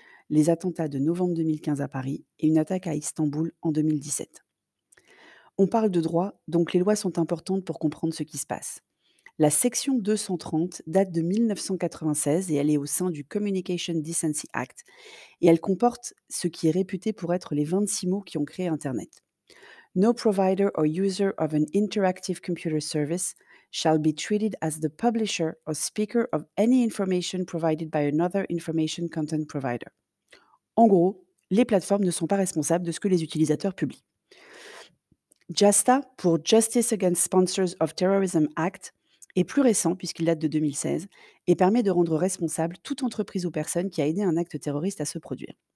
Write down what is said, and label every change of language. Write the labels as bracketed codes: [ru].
[fr] Les attentats de novembre 2015 à Paris et une attaque à Istanbul en 2017. On parle de droit, donc les lois sont importantes pour comprendre ce qui se passe. La section 230 date de 1996 et elle est au sein du Communication Decency Act et elle comporte ce qui est réputé pour être les 26 mots qui ont créé Internet. [en] No provider or user of an interactive computer service shall be treated as the publisher or speaker of any information provided by another information content provider. [fr] En gros, les plateformes ne sont pas responsables de ce que les utilisateurs publient. JASTA, pour Justice Against Sponsors of Terrorism Act, est plus récent puisqu'il date de 2016 et permet de rendre responsable toute entreprise ou personne qui a aidé un acte terroriste à se produire.